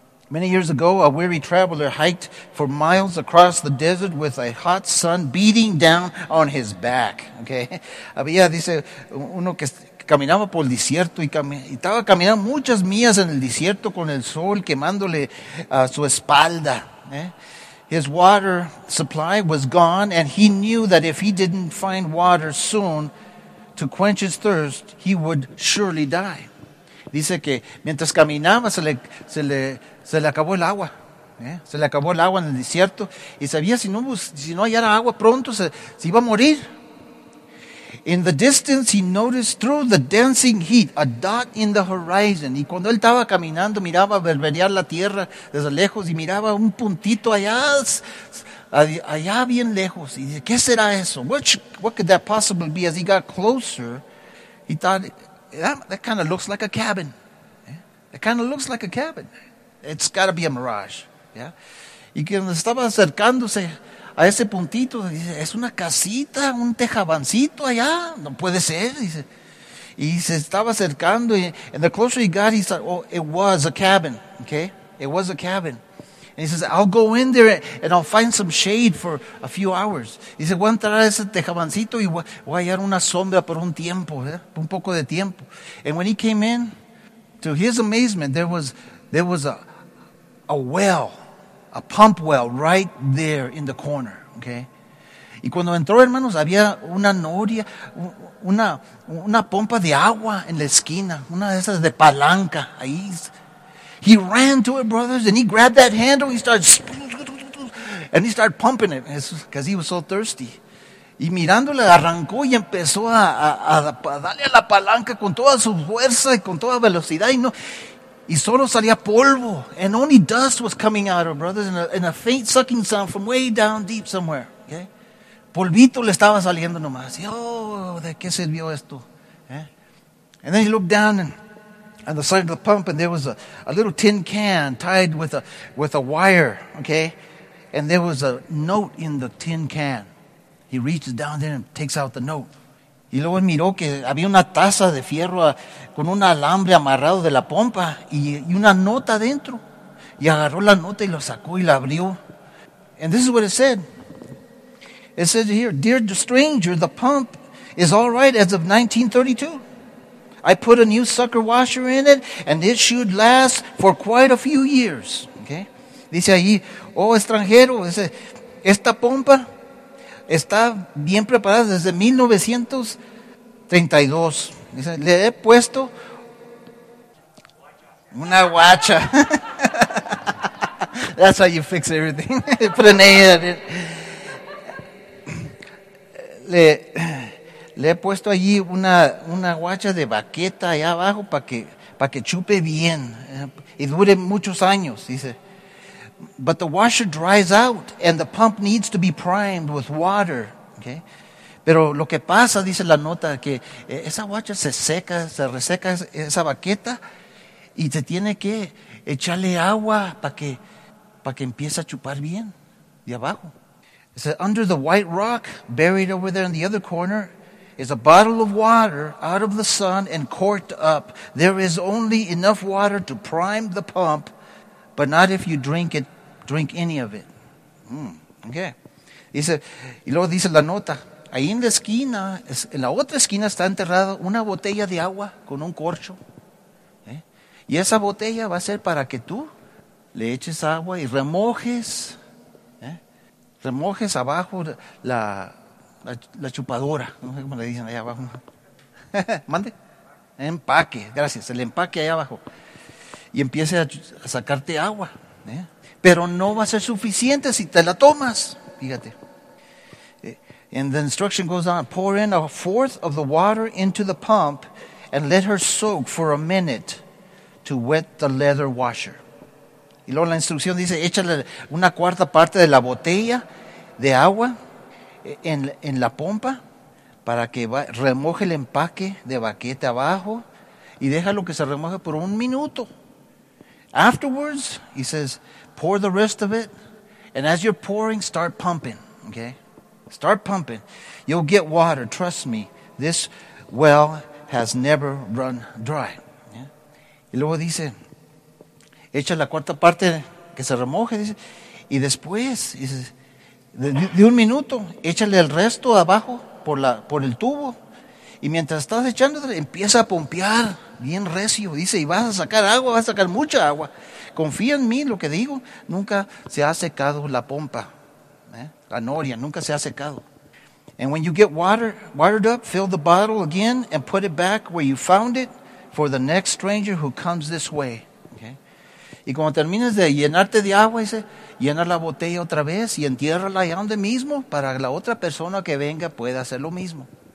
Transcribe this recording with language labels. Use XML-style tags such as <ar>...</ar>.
<en>Many years ago, a weary traveler hiked for miles across the desert with a hot sun beating down on his back.</en> <es>Okay, había, dice uno, que caminaba por el desierto y estaba caminando muchas millas en el desierto con el sol quemándole a su espalda.</es> <en>Okay? His water supply was gone, and he knew that if he didn't find water soon to quench his thirst, he would surely die.</en> <es>Dice que mientras caminaba se le acabó el agua. ¿Eh? Se le acabó el agua en el desierto, y sabía si no hallara agua pronto se iba a morir.</es> <en>In the distance he noticed through the dancing heat a dot in the horizon.</en> <es>Y cuando él estaba caminando miraba verberear la tierra desde lejos y miraba un puntito allá bien lejos. Y dice, ¿qué será eso?</es> <en>What could that possibly be? As he got closer, he thought, that kind of looks like a cabin. That kind of looks like a cabin. It's got to be a mirage. Yeah?</en> <es>Y cuando estaba acercándose a ese puntito, dice, es una casita, un tejabancito allá, no puede ser, dice. Y se estaba acercando,</es> <en>and the closer he got, he said, oh, it was a cabin, okay? It was a cabin. And he says, I'll go in there and I'll find some shade for a few hours. He said,</en> <es>voy a entrar a ese tejabancito y voy a hallar una sombra por un tiempo, un poco de tiempo.</es> <en>And when he came in, to his amazement, there was a well. A pump well right there in the corner, okay?</en> <es>Y cuando entró, hermanos, había una noria, una pompa de agua en la esquina, una de esas de palanca, ahí.</es> <en>He ran to it, brothers, and he grabbed that handle, and he started pumping it, because he was so thirsty.</en> <es>Y mirándole, arrancó y empezó a darle a la palanca con toda su fuerza y con toda velocidad, y solo salía polvo,</es> <en>and only dust was coming out of it, brothers, and a faint sucking sound from way down deep somewhere. Okay?</en> <es>Polvito le estaba saliendo nomás. Y, oh, ¿de qué sirvió esto? Yeah?</es> <en>And then he looked down on the side of the pump, and there was a little tin can tied with a wire. Okay, and there was a note in the tin can. He reaches down there and takes out the note.</en> <es>Y luego miró que había una taza de fierro con un alambre amarrado de la pompa y una nota dentro. Y agarró la nota y la sacó y la abrió.</es> <en>And this is what it said. It says here, dear stranger, the pump is all right as of 1932. I put a new sucker washer in it and it should last for quite a few years. Okay?</en> <es>Dice ahí, oh extranjero, esta pompa está bien preparada desde 1932. Le he puesto Una guacha.</es> <en>That's how you fix everything. Put an A in it.</en> <es>Le he puesto allí una guacha de baqueta allá abajo para que chupe bien y dure muchos años, dice.</es> <en>But the washer dries out and the pump needs to be primed with water. Okay.</en> <es>Pero lo que pasa, dice la nota, que esa guacha se reseca esa baqueta y se tiene que echarle agua para que empiece a chupar bien de abajo.</es> <en>It says, under the white rock buried over there in the other corner is a bottle of water out of the sun and corked up. There is only enough water to prime the pump, but not if you drink any of it. Okay.</en> <es>Y luego dice la nota, ahí en la esquina, en la otra esquina está enterrada una botella de agua con un corcho. Y esa botella va a ser para que tú le eches agua y remojes abajo la chupadora, no sé cómo le dicen allá abajo. Mande. Empaque, gracias, el empaque allá abajo. Y empiece a sacarte agua. Pero no va a ser suficiente si te la tomas. Fíjate.</es> <en>And the instruction goes on. Pour in a fourth of the water into the pump and let her soak for a minute to wet the leather washer.</en> <es>Y luego la instrucción dice, échale una cuarta parte de la botella de agua en la pompa para que remoje el empaque de baquete abajo y déjalo que se remoje por un minuto.</es> <en>Afterwards, he says, pour the rest of it, and as you're pouring, start pumping, okay? Start pumping. You'll get water, trust me. This well has never run dry.</en> <es>Yeah? Y luego dice, echa la cuarta parte que se remoje, dice, y después, dice, de un minuto, échale el resto abajo por el tubo, y mientras estás echando, empieza a pompear bien recio, dice, y vas a sacar agua, vas a sacar mucha agua. Confía en mí, lo que digo, nunca se ha secado la pompa, la noria, nunca se ha secado.</es> <en>And when you get watered up, fill the bottle again and put it back where you found it for the next stranger who comes this way.</en> <es>Y cuando termines de llenarte de agua, dice, llena la botella otra vez y entiérrala allá donde mismo para la otra persona que venga pueda hacer lo mismo.</es>